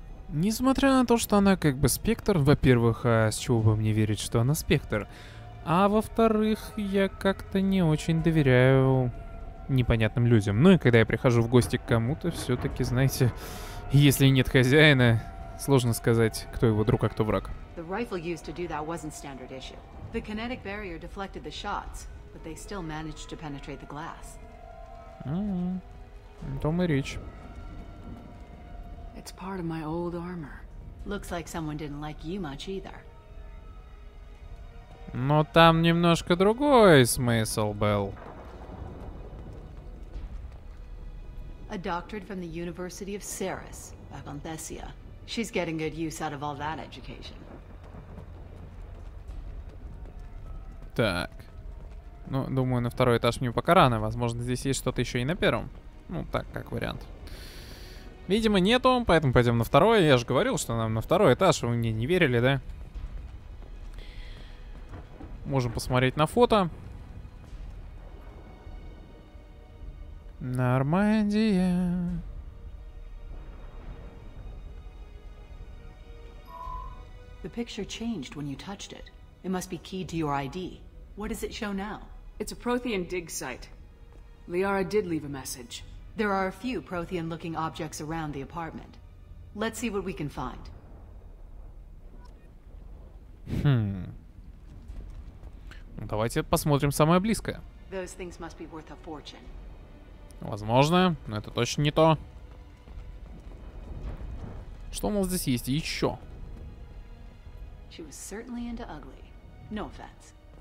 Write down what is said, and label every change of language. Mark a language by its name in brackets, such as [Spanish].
[Russian] Несмотря на то, что она как бы Спектр, во-первых, а с чего бы мне верить, что она Спектр? А во-вторых, я как-то не очень доверяю непонятным людям. Ну и когда я прихожу в гости к кому-то, все-таки, знаете, если нет хозяина, сложно сказать, кто его друг, а кто враг. [English] The rifle used to do that wasn't standard issue. The kinetic barrier deflected the shots, but they still managed to penetrate the glass. [Russian] Том и речь. [English] It's part of my old armor. Looks like someone didn't like you much either. [Russian] Но там немножко другой смысл был. [English] A doctorate from the University of Ceres, back on Thessia. She's getting good use out of all that education. [Russian] Так. Ну, думаю, на второй этаж мне пока рано. Возможно, здесь есть что-то еще и на первом. Ну, так, как вариант. Видимо, нету, поэтому пойдем на второй. Я же говорил, что нам на второй этаж. Вы мне не верили, да? Можем посмотреть на фото. Нормандия. [English] The picture changed when you touched it. It must be keyed to your ID. What does it show now? It's a Prothean dig site. Liara did leave a message. There are a few Prothean-looking objects around the apartment. Let's see what we can find. [Russian] Ну, давайте посмотрим самое близкое. [English] Those things must be worth a fortune. [Russian] Возможно, но это точно не то. Что у нас здесь есть еще? [English] She was certainly into ugly. No offense.